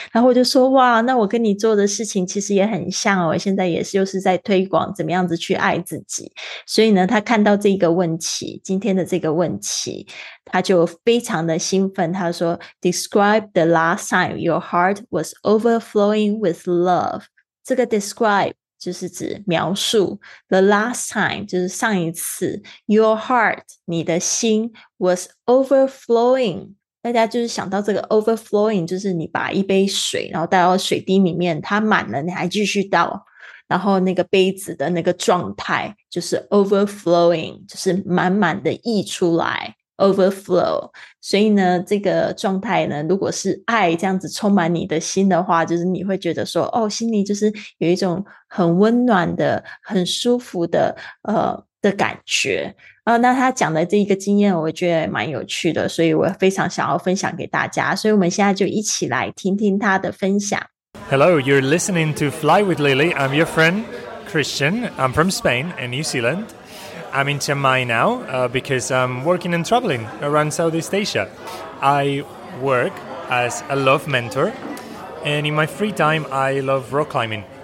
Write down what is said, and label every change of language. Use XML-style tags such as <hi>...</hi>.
<zh>然后我就说哇，那我跟你做的事情其实也很像，我现在也是就是在推广怎么样子去爱自己。所以呢他看到这个问题，今天的这个问题，他就非常的兴奋，他说</zh> <en>Describe the last time your heart was overflowing with love。</en> <zh>这个 describe 就是指描述</zh> <en>the last time</en> <zh>就是上一次</zh> <en>your heart</en> <zh>你的心</zh> <en>was overflowing。</en> <zh>大家就是想到这个 overflowing 就是你把一杯水然后带到水滴里面它满了你还继续倒，然后那个杯子的那个状态就是 overflowing， 就是满满的溢出来overflow。所以呢这个状态呢如果是爱这样子充满你的心的话，就是你会觉得说哦，心里就是有一种很温暖的很舒服的的感觉那他讲的这一个经验我觉得蛮有趣的，所以我非常想要分享给大家，所以我们现在就一起来听听他的分享。</zh> <en>Hello, you're listening to Fly with Lily. I'm your friend Christian. I'm from Spain and New ZealandI'm in Chiang Mai now because I'm working and traveling around Southeast Asia. I work as a love mentor, and in my free time, I love rock climbing.</en>